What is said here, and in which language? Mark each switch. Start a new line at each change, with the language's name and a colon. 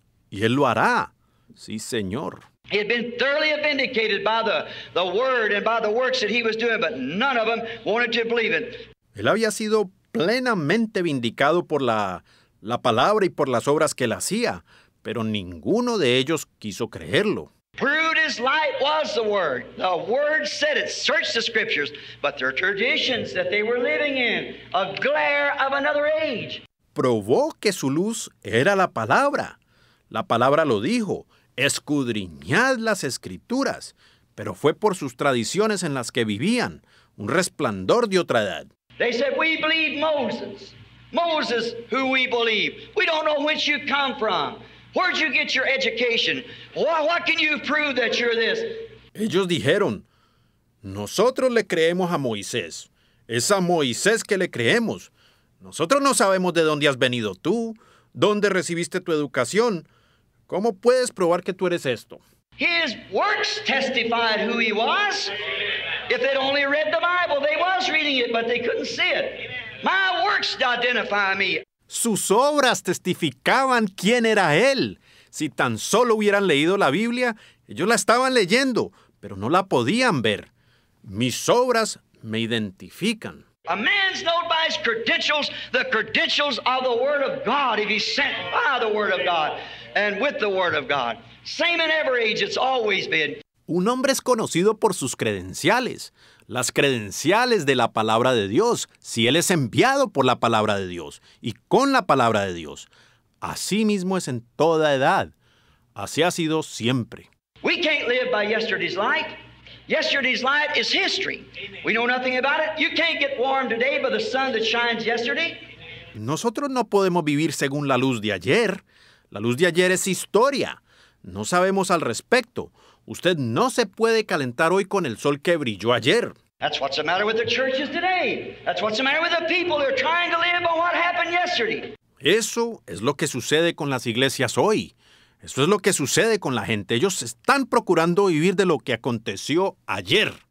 Spanish: Y él lo hará. Sí, Señor.
English: He had been thoroughly vindicated by the word and by the works that he was doing, but none of them wanted to believe it.
Spanish: Él había sido plenamente vindicado por la palabra y por las obras que él hacía, pero ninguno de ellos quiso creerlo.
English: Proved his light was the word. The word said it. Search the scriptures. But their traditions that they were living in, a glare of another age.
Spanish: Probó que su luz era la palabra. La palabra lo dijo, escudriñad las escrituras, pero fue por sus tradiciones en las que vivían, un resplandor de otra edad.
English: They said, we believe Moses. Moses, who we believe. We don't know whence you come from. Where'd you get your education? What can you prove that you're this?
Spanish: Ellos dijeron, nosotros le creemos a Moisés. Es a Moisés que le creemos. Nosotros no sabemos de dónde has venido tú, dónde recibiste tu educación. ¿Cómo puedes probar que tú eres esto?
English: His works testified who he was. If they'd only read the Bible, they was reading it, but they couldn't see it. My works identify me.
Spanish: Sus obras testificaban quién era él. Si tan solo hubieran leído la Biblia, ellos la estaban leyendo, pero no la podían ver. Mis obras me identifican.
English: A man's known by his credentials, the credentials of the Word of God, if he's sent by the Word of God and with the Word of God. Same in every age, it's always been.
Spanish: Un hombre es conocido por sus credenciales, las credenciales de la palabra de Dios, si él es enviado por la palabra de Dios y con la palabra de Dios. Así mismo es en toda edad. Así ha sido siempre.
English: We can't live by yesterday's light. Yesterday's light is history. We know nothing about it. You can't get warm today by the sun that shines yesterday.
Spanish: Nosotros no podemos vivir según la luz de ayer. La luz de ayer es historia. No sabemos al respecto. Usted no se puede calentar hoy con el sol que brilló ayer.
English: That's what's the matter with the churches today. That's what's the matter with the people. They're trying to live on what happened yesterday.
Spanish: Eso es lo que sucede con las iglesias hoy. Eso es lo que sucede con la gente. Ellos están procurando vivir de lo que aconteció ayer.